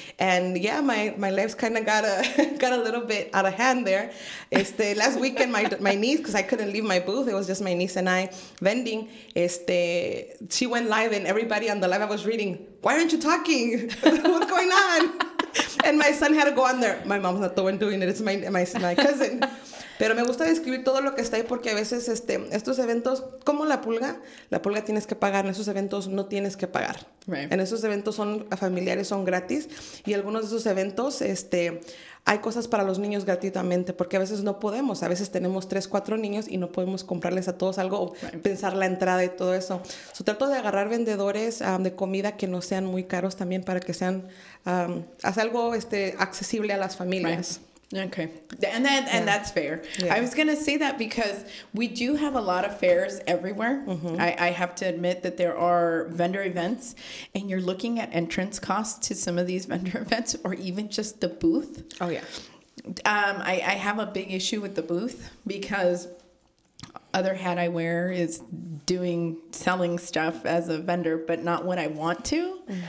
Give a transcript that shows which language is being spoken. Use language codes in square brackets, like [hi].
[en] And yeah, my lives kind of got a little bit out of hand there. Last weekend, my niece, because I couldn't leave my booth, it was just my niece and I vending, she went live, and everybody on the live, I was reading, why aren't you talking? What's going on? And my son had to go on there. My mom's not the one doing it. It's my cousin. [es] Pero me gusta describir todo lo que está ahí porque a veces estos eventos, como la pulga tienes que pagar. En esos eventos no tienes que pagar. [en] Right. [es] En esos eventos son familiares, son gratis. Y algunos de esos eventos hay cosas para los niños gratuitamente porque a veces no podemos. A veces tenemos 3-4 niños y no podemos comprarles a todos algo o pensar la entrada y todo eso. So, trato de agarrar vendedores de comida que no sean muy caros también para que sean algo accesible a las familias. [en] Right. Okay. And that's fair. Yeah. I was going to say that because we do have a lot of fairs everywhere. Mm-hmm. I have to admit that there are vendor events, and you're looking at entrance costs to some of these vendor events or even just the booth. Oh, yeah. I have a big issue with the booth because other hat I wear is selling stuff as a vendor, but not what I want to. Mm-hmm.